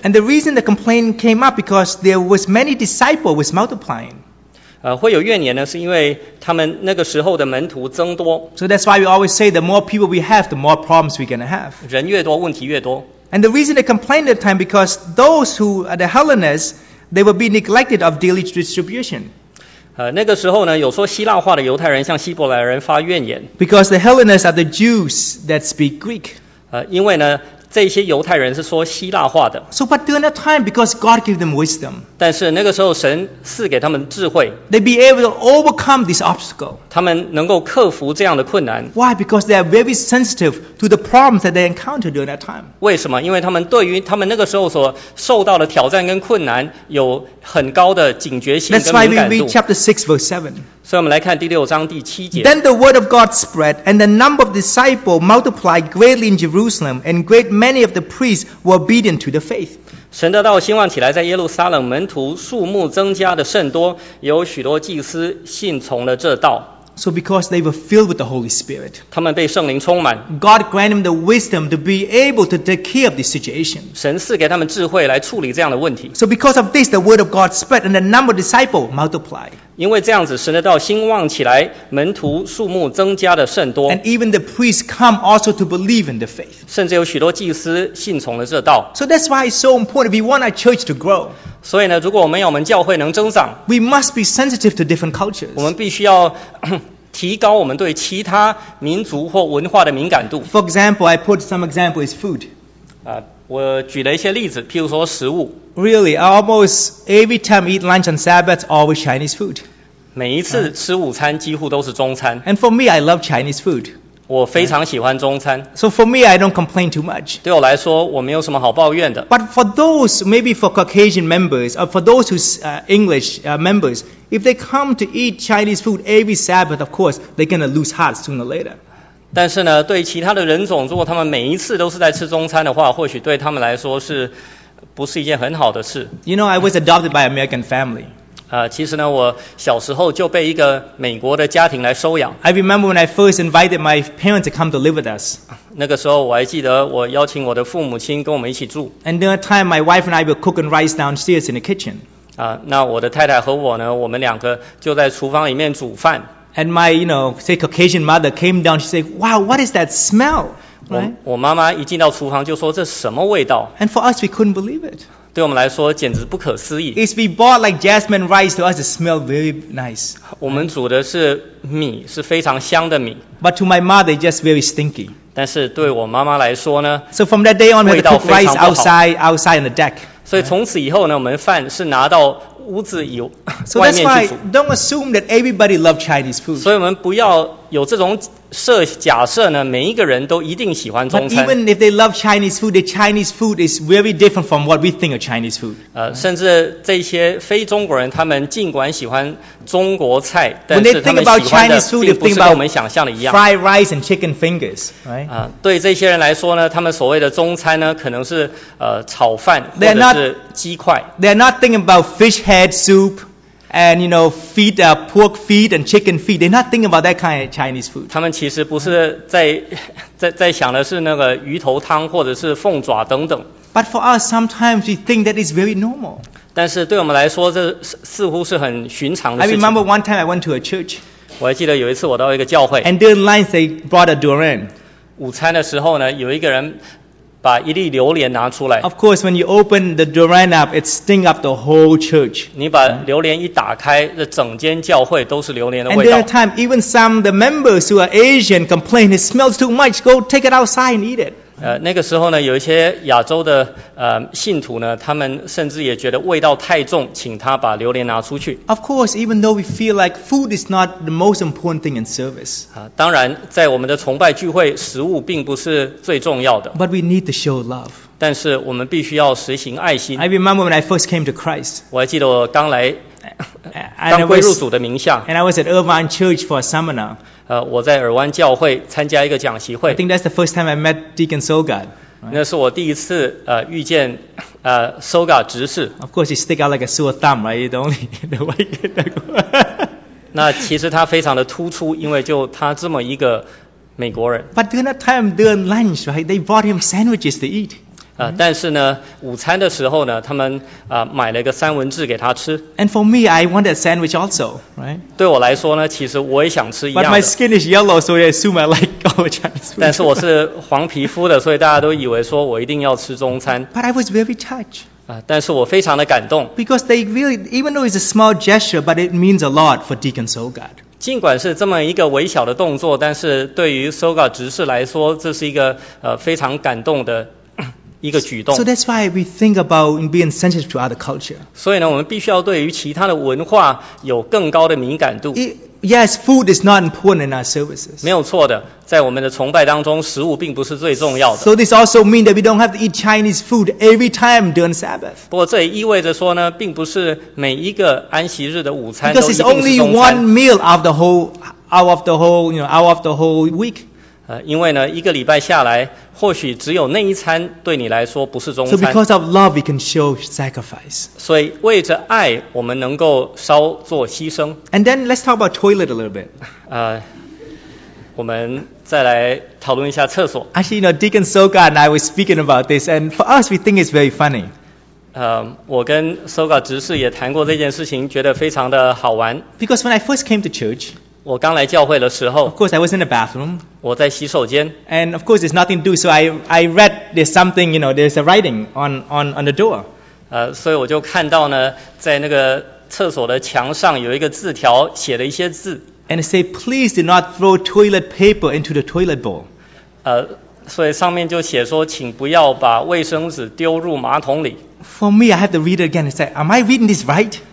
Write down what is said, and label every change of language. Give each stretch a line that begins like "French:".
English: And the reason the complaint came up because there was many disciples was multiplying.
Chinese: 会有怨言呢，是因为他们那个时候的门徒增多。
English: So that's why we always say the more people we have, the more problems we're going to have.
Chinese: 人越多，问题越多。
English: And the reason they complained at the time because those who are the Hellenists, they would be neglected of daily distribution.
Chinese: 那个时候呢，有说希腊话的犹太人向希伯来人发怨言。
English: Because the Hellenists are the Jews that speak Greek.
Chinese: 因为呢，这些犹太人是说希腊话的。
English: So but during that time, because God gave them wisdom.
Chinese: 但是那个时候神赐给他们智慧。
English: They be able to overcome this obstacle.
Chinese: 他们能够克服这样的困难。
English: Why? Because they are very sensitive to the problems that they encounter during that time.
Chinese: 为什么？因为他们对于他们那个时候所受到的挑战跟困难有很高的警觉性跟敏感度。
English: That's why we read chapter 6 verse 7.
Chinese: 所以我们来看第六章第七节。
English: Then the word of God spread, and the number of disciples multiplied greatly in Jerusalem, and great many of the priests were obedient to the faith.
Chinese: 神的道兴旺起来，在耶路撒冷门徒数目增加的甚多，有许多祭司信从了这道。
English: So because they were filled with the Holy Spirit,
Chinese: 他们被圣灵充满。
English: God granted them the wisdom to be able to take care of this situation.
Chinese: 神赐给他们智慧来处理这样的问题。
English: So because of this, the word of God spread and the number of disciples multiplied.
Chinese: 因为这样子，神的道兴旺起来，门徒数目增加的甚多。
English: And even the priests come also to believe in the faith.
Chinese: 甚至有许多祭司信从了这道。
English: So that's why it's so important if we want our church to grow.
Chinese: 所以呢，如果我们要我们教会能增长，
English: we must be sensitive to different cultures.
Chinese: 我们必须要提高我们对其他民族或文化的敏感度。
English: For example, I put some example is food.
Chinese: 我举了一些例子，譬如说食物。
English: Really, almost every time I eat lunch on Sabbath, always Chinese food.
Chinese: 每一次吃午餐几乎都是中餐。
English: And for me, I love Chinese food.
Chinese: 我非常喜欢中餐。
English: So for me, I don't complain too much.
Chinese: 对我来说，我没有什么好抱怨的。
English: But for those, maybe for Caucasian members, or for those who's English members, if they come to eat Chinese food every Sabbath, of course, they're going to lose heart sooner or later.
Chinese: 但是呢，对其他的人种，如果他们每一次都是在吃中餐的话，或许对他们来说是不是一件很好的事。
English: You know, I was adopted by an American family.
Chinese: 其实呢，我小时候就被一个美国的家庭来收养。
English: I remember when I first invited my parents to come to live with us.
Chinese: 那个时候我还记得我邀请我的父母亲跟我们一起住。
English: And during that time, my wife and I were cooking rice downstairs in the kitchen.
Chinese: 那我的太太和我呢，我们两个就在厨房里面煮饭。
English: And my, you know, say Caucasian mother came down, she said, wow, what is that smell?
Chinese: 我妈妈一进到厨房就说，这什么味道？
English: And for us, we couldn't believe it.
Chinese: 对我们来说，简直不可思议。
English: It's we bought like jasmine rice, to us it smelled very nice.
Chinese: 我们煮的是米，是非常香的米。
English: But to my mother, it's just very stinky.
Chinese: 但是对我妈妈来说呢，
English: So from that day on, we had to cook rice outside on the deck.
Chinese: 所以从此以后呢，我们饭是拿到屋子以外面去煮。
English: So that's why don't assume that everybody loves Chinese food.
Chinese: 所以我们不要有这种假设呢，每一个人都一定喜欢中餐。
English: But even if they love Chinese food, the Chinese food is very different from what we think of Chinese food.
Chinese: 甚至这些非中国人，他们尽管喜欢中国菜，但是他们喜欢的并不是跟我们想象的一样。
English: they think about fried rice and chicken fingers, right?
Chinese: 对这些人来说呢，他们所谓的中餐呢，可能是炒饭或者是鸡块。
English: They're not thinking about fish head soup. And you know, feet, pork feet and chicken feet. They're not thinking about that kind of Chinese food.
Chinese: 他们其实不是在想的是那个鱼头汤或者是凤爪等等。
English: But for us, sometimes we think that is very normal.
Chinese: 但是对我们来说，这似乎是很寻常的事情。
English: I remember one time I went to a church.
Chinese: 我还记得有一次我到一个教会。
English: And during lunch, they brought a durian.
Chinese: 午餐的时候呢，有一个人把一粒榴莲拿出来。
English: Of course, when you open the durian up, it stink up the whole church.
Chinese: 你把榴莲一打开，这整间教会都是榴莲的味道。
English: And at that time, even some of the members who are Asian complain, it smells too much. Go take it outside and eat it.
Chinese: 那个时候呢，有一些亚洲的信徒呢，他们甚至也觉得味道太重，请他把榴莲拿出去。
English: Of course, even though we feel like food is not the most important thing in service.
Chinese: 当然，在我们的崇拜聚会，食物并不是最重要的。
English: But we need to show love.
Chinese: 但是我们必须要实行爱心。
English: I remember when I first came to Christ.
Chinese: 我还记得我刚来。刚归入主的名下。
English: And I was at Irvine Church for a seminar.
Chinese: 我在尔湾教会参加一个讲习会。
English: I think that's the first time I met Deacon Sogard.
Chinese: 那是我第一次遇见Sogard 执事。
English: Of course, he stick out like a sore thumb, right? You don't need the way you get that one.
Chinese: 那其实他非常的突出，因为就他这么一个美国人。
English: But during that time, during lunch, right, they brought him sandwiches to eat.
Chinese: 但是呢，午餐的时候呢，他们买了一个三文治给他吃。
English: And for me, I want a sandwich also, right?
Chinese: 对我来说呢，其实我也想吃一样的。
English: But my skin is yellow, so I assume I like all Chinese food.
Chinese: 但是我是黄皮肤的，所以大家都以为说我一定要吃中餐。
English: But I was very touched.
Chinese: 但是我非常的感动。
English: Because they really, even though it's a small gesture, but it means a lot for Deacon Sogard.
Chinese: 尽管是这么一个微小的动作，但是对于 Sogard 执事来说，这是一个非常感动的。一个举动。
English: So that's why we think about being sensitive to other culture.
Chinese: 所以呢，我们必须要对于其他的文化有更高的敏感度。
English: Yes, food is not important in our services.
Chinese: 没有错的，在我们的崇拜当中，食物并不是最重要的。
English: So this also means that we don't have to eat Chinese food every time during Sabbath.
Chinese: 不过这也意味着说呢，并不是每一个安息日的午餐都一定是中餐。
English: Because it's only one meal of the whole, out of the whole week.
Chinese: 因为呢，一个礼拜下来。或许只有那一餐对你来说不是中餐。
English: So because of love, we can show sacrifice.
Chinese: 所以为着爱，我们能够稍作牺牲。
English: And then let's talk about toilet a little bit.
Chinese: 我们再来讨论一下厕所。
English: Actually, you know, Deacon Sogard and I were speaking about this, and for us, we think it's very funny.
Chinese: 我跟 Sogard 执事也谈过这件事情，觉得非常的好玩。
English: Because when I first came to church.
Chinese: 我刚来教会的时候。
English: Of course, I was in the bathroom.
Chinese: 我在洗手间。
English: And of course, there's nothing to do, so I read there's something, you know, there's a writing on the door.
Chinese: 所以我就看到呢，在那个厕所的墙上有一个字条，写了一些字。
English: And it say, please do not throw toilet paper into the toilet bowl.
Chinese: 所以上面就写说，请不要把卫生纸丢入马桶里。
English: For me, I have to read it again and say, am I reading this right?